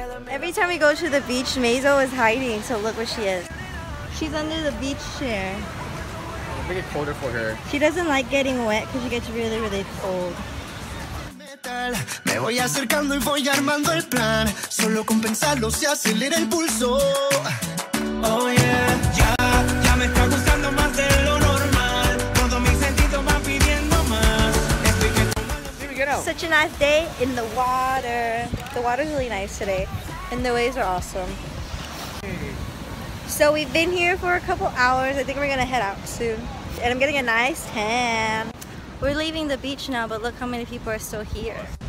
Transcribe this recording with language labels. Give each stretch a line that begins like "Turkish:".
English: Every time we go to the beach, Mazo is hiding, so look where she is. She's under the beach chair. Make it colder for her. She doesn't like getting wet because she gets really, really cold.
Spanish: Me voy acercando y voy armando el plan. Solo con pensarlo se acelera el pulso.
English: Oh yeah,
Spanish: ya, ya me está gustando más de lo normal. Todo mi sentido va pidiendo más.
English: Such a nice day in the water. The water's really nice today, and the waves are awesome. So we've been here for a couple hours. I think we're gonna head out soon. And I'm getting a nice tan. We're leaving the beach now, but look how many people are still here.